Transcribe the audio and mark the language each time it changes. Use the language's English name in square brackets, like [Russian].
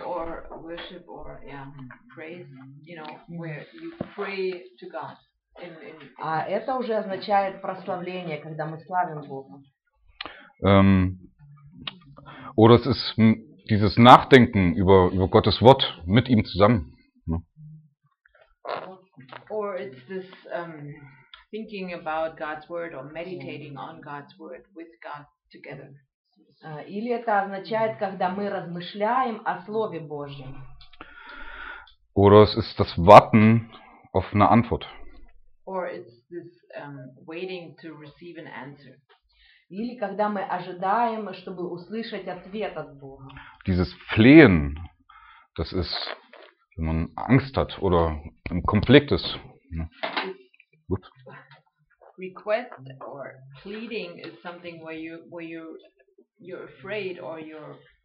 [English] Or worship or praise, you know, where you pray to God. [Russian] А это уже означает прославление, когда мы славим Бога. [German] Oder es ist dieses Nachdenken über Gottes Wort mit ihm zusammen. Ne? [English] Or it's this thinking about God's word or meditating on God's word with God together. [Russian] Или это означает, когда мы размышляем о Слове Божьем. [German] Oder es ist das Warten auf eine Antwort. [English] Or it's this waiting to receive an answer. [Russian] Или когда мы ожидаем, чтобы услышать ответ от Бога. [German] Dieses Flehen, das ist, wenn man Angst hat oder im Konflikt ist. Ne? Gut. [English] Request or pleading is something where you're afraid or you're